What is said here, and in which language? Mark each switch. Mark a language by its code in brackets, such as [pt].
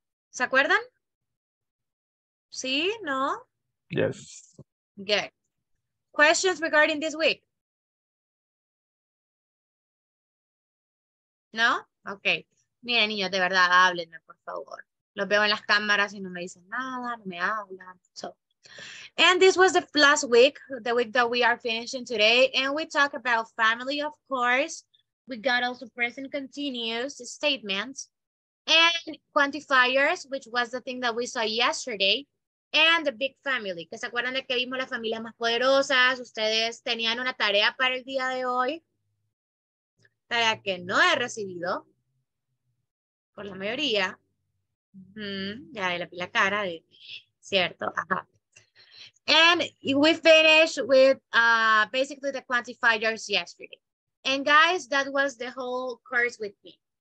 [es] ¿Se acuerdan? ¿Sí? ¿No? [en] Yes. Good. Questions regarding this week? [es] ¿No? Ok. Miren, niños, de verdad, háblenme, por favor. Los veo en las cámaras y no me dicen nada, no me hablan. [en] So. And this was the last week, the week that we are finishing today. And we talk about family, of course. We got also present continuous statements. And quantifiers, which was the thing that we saw yesterday, and the big family. [es] ¿Que se acuerdan de que vimos las familias más poderosas? Ustedes tenían una tarea para el día de hoy, tarea que no he recibido por la mayoría. Ya de la cara, de, cierto. Ajá. [en] And we finished with basically the quantifiers yesterday. And guys, that was the whole course with me.